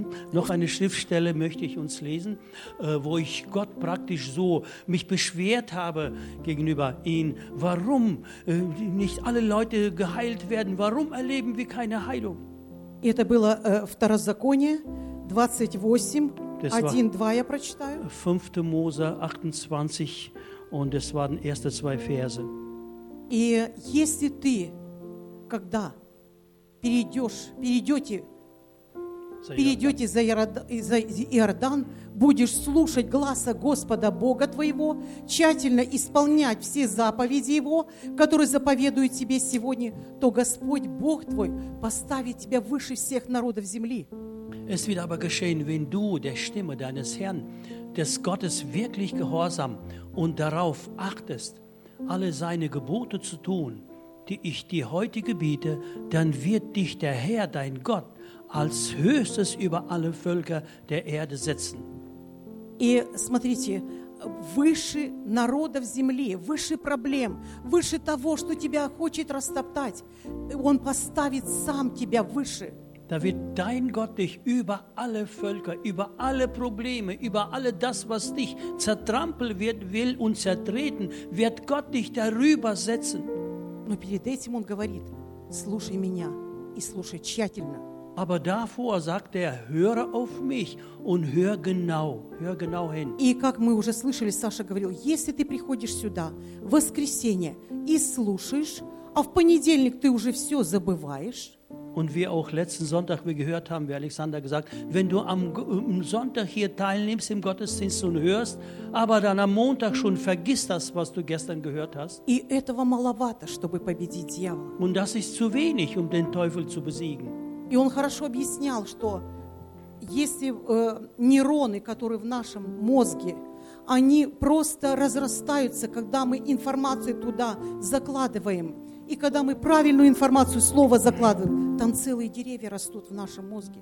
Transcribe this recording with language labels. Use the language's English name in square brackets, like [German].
[German] Noch eine Schriftstelle möchte ich uns lesen, wo ich Gott praktisch so mich beschwert habe gegenüber ihm. Warum nicht alle Leute geheilt werden? Warum erleben wir keine Heilung? [Russian] Это было Второзаконие 28:1-2 я прочитаю. [German] 5. Mose 28 und es waren erste zwei Verse. [Russian] И если ты когда перейдете Перейдете за Иордан, будешь слушать гласа Господа Бога твоего, тщательно исполнять все заповеди Его, которые заповедуют тебе сегодня, то Господь Бог твой поставит тебя выше всех народов земли. [German] Es wird aber geschehen, wenn du der Stimme deines Herrn, des Gottes wirklich gehorsam und darauf achtest, alle seine Gebote zu tun, die ich dir heute gebiete, dann wird dich der Herr, dein Gott, als höchstes über alle Völker der Erde setzen. [Russian] И смотрите, выше народов земли, выше проблем, выше того, что тебя хочет растоптать, он поставит сам тебя выше. [German] Da wird dein Gott dich über alle Völker, über alle Probleme, über alle das, was dich zertrampeln wird, will und zertreten, wird Gott dich darüber setzen. [Russian] Но перед этим он говорит: слушай меня и слушай тщательно. [German] Aber davor sagt er: Höre auf mich und hör genau hin. [Russian] И как мы уже слышали, Саша говорил, если ты приходишь сюда в воскресенье и слушаешь, а в понедельник ты уже все забываешь. [German] Und wie auch letzten Sonntag wir gehört haben, wie Alexander gesagt, wenn du am Sonntag hier teilnimmst im Gottesdienst und hörst, aber dann am Montag schon vergisst das, was du gestern gehört hast. [Russian] И этого маловато, чтобы победить дьявола. [German] Und das ist zu wenig, um den Teufel zu besiegen. [Russian] И он хорошо объяснял, что если нейроны, которые в нашем мозге, они просто разрастаются, когда мы информацию туда закладываем. И когда мы правильную информацию, слово закладываем, там целые деревья растут в нашем мозге.